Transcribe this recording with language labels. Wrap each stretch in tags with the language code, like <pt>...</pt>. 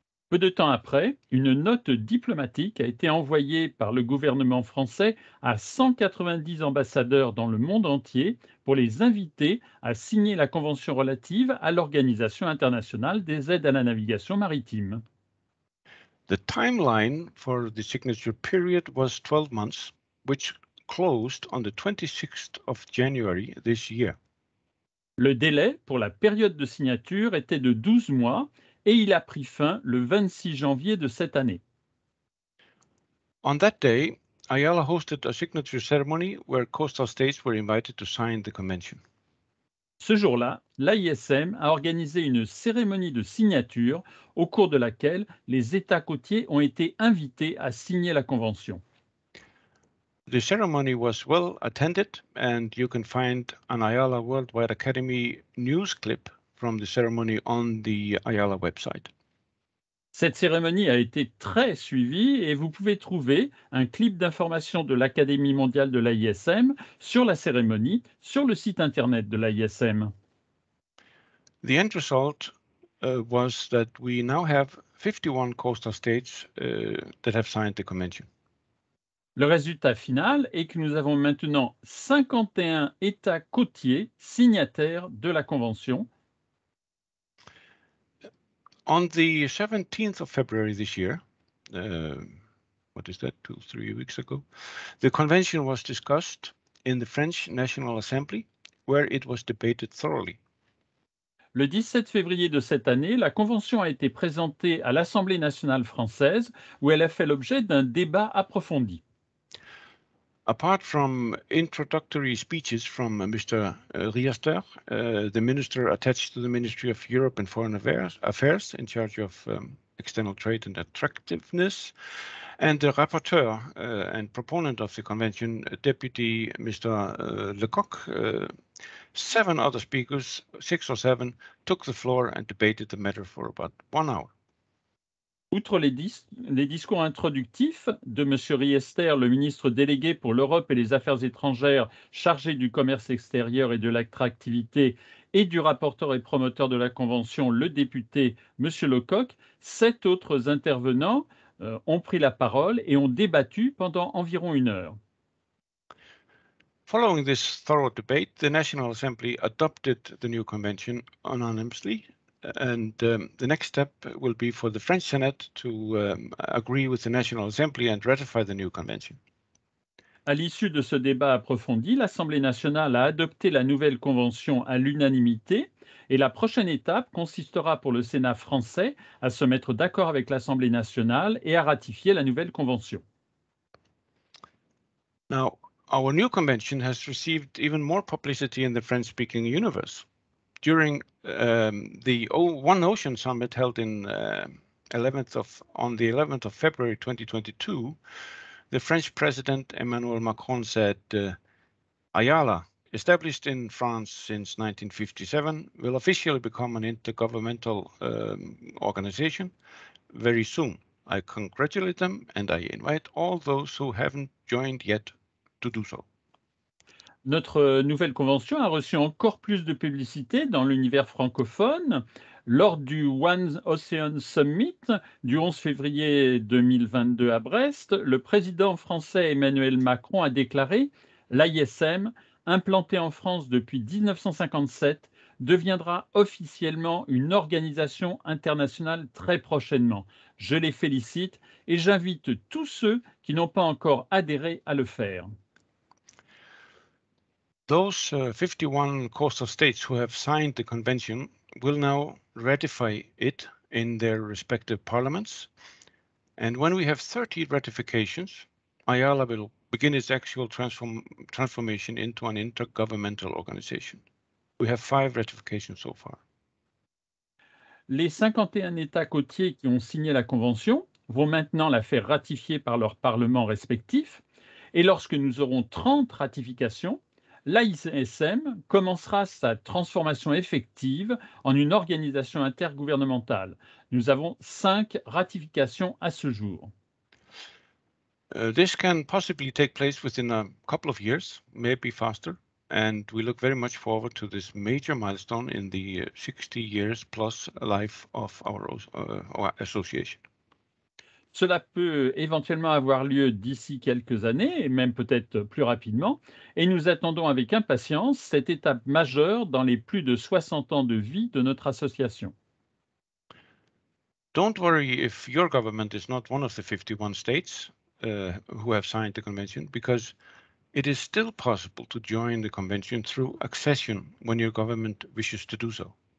<fr>Peu de temps après, une note diplomatique a été envoyée par le gouvernement français à 190 ambassadeurs dans le monde entier pour les inviter à signer la convention relative à l'Organisation internationale des aides à la navigation maritime.</fr> <en>The timeline for the signature period was 12 months, which closed on the 26th of January this year.</en> <fr>Le délai pour la période de signature était de 12 mois. Et il a pris fin le 26 janvier de cette année.</fr> <en>On that day, IALA hosted a signature ceremony where coastal states were invited to sign the convention.</en> <fr>Ce jour-là, l'AISM a organisé une cérémonie de signature au cours de laquelle les États côtiers ont été invités à signer la convention.</fr> <en>The ceremony was well attended and you can find an IALA Worldwide Academy news clip from the ceremony on the IALA website.</en> <fr>Cette cérémonie a été très suivie et vous pouvez trouver un clip d'information de l'Académie mondiale de l'AISM sur la cérémonie sur le site internet de l'AISM.</fr> <en>The end result was that we now have 51 coastal states that have signed the convention.</en> <fr>Le résultat final est que nous avons maintenant 51 États côtiers signataires de la convention.</fr> <en>On the 17th of February this year, what is that, two, 3 weeks ago, the convention was discussed in the French National Assembly, where it was debated thoroughly.</en> <fr>Le 17 février de cette année, la convention a été présentée à l'Assemblée nationale française, où elle a fait l'objet d'un débat approfondi.</fr> <en>Apart from introductory speeches from Mr. Riester, the minister attached to the Ministry of Europe and Foreign Affairs in charge of external trade and attractiveness, and the rapporteur and proponent of the convention, Deputy Mr. Lecoq, seven other speakers, six or seven, took the floor and debated the matter for about 1 hour.</en> <fr>Outre les discours introductifs de M. Riester, le ministre délégué pour l'Europe et les Affaires étrangères, chargé du commerce extérieur et de l'attractivité, et du rapporteur et promoteur de la Convention, le député M. Lecoq, sept autres intervenants ont pris la parole et ont débattu pendant environ une heure.</fr> <en>Following this thorough debate, the National Assembly adopted the new convention unanimously, and the next step will be for the French Senate to agree with the National Assembly and ratify the new convention.</en> <fr>À l'issue de ce débat approfondi, l'Assemblée nationale a adopté la nouvelle convention à l'unanimité et la prochaine étape consistera pour le Sénat français à se mettre d'accord avec l'Assemblée nationale et à ratifier la nouvelle convention.</fr> <en>Now, our new convention has received even more publicity in the French-speaking universe. During the One Ocean Summit held in, 11th of February 2022, the French President Emmanuel Macron said, IALA, established in France since 1957, will officially become an intergovernmental organization very soon. I congratulate them and I invite all those who haven't joined yet to do so.</en> <fr>Notre nouvelle convention a reçu encore plus de publicité dans l'univers francophone lors du One Ocean Summit du 11 février 2022 à Brest. Le président français Emmanuel Macron a déclaré « L'ISM, implanté en France depuis 1957, deviendra officiellement une organisation internationale très prochainement. Je les félicite et j'invite tous ceux qui n'ont pas encore adhéré à le faire. »</fr> <en>Those 51 coastal states who have signed the convention will now ratify it in their respective parliaments. And when we have 30 ratifications, IALA will begin its actual transformation into an intergovernmental organization. We have 5 ratifications so far.</en> <fr>Les 51 États côtiers qui ont signé la convention vont maintenant la faire ratifier par leurs parlements respectifs. Et lorsque nous aurons 30 ratifications, l'ISM commencera sa transformation effective en une organisation intergouvernementale. Nous avons 5 ratifications à ce jour.</fr> <en>This can possibly take place within a couple of years, maybe faster, and we look very much forward to this major milestone in the 60 years plus life of our association.</en> <fr>Cela peut éventuellement avoir lieu d'ici quelques années, et même peut-être plus rapidement, et nous attendons avec impatience cette étape majeure dans les plus de 60 ans de vie de notre association.</fr> <en>Don't worry if your government is not one of the 51 states who have signed the convention, because it is still possible to join the convention through accession when your government wishes to do so.</en>